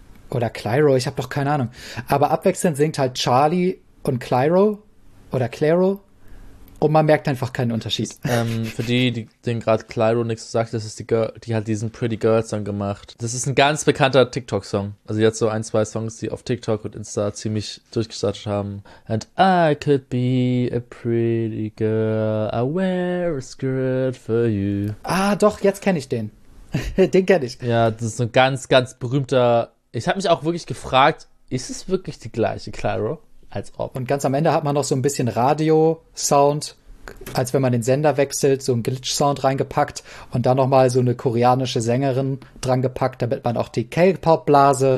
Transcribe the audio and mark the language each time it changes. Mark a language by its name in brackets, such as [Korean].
[German] Oder Clairo, ich habe doch keine Ahnung. Aber abwechselnd singt halt Charlie und Clairo oder Clairo und man merkt einfach keinen Unterschied. Für die, denen gerade Clairo nichts sagt, das ist die Girl, die hat diesen Pretty Girl Song gemacht. Das ist ein ganz bekannter TikTok-Song. Also die hat so ein, zwei Songs, die auf TikTok und Insta ziemlich durchgestartet haben. [English] And I could be a pretty girl, I wear a skirt for you. [German] Ah doch, jetzt kenne ich den. Den kenne ich. Ja, das ist so ein ganz, ganz berühmter... Ich habe mich auch wirklich gefragt, ist es wirklich die gleiche Clairo als ob? Und ganz am Ende hat man noch so ein bisschen Radio-Sound, als wenn man den Sender wechselt, so ein Glitch-Sound reingepackt und dann nochmal so eine koreanische Sängerin drangepackt, damit man auch die K-Pop-Blase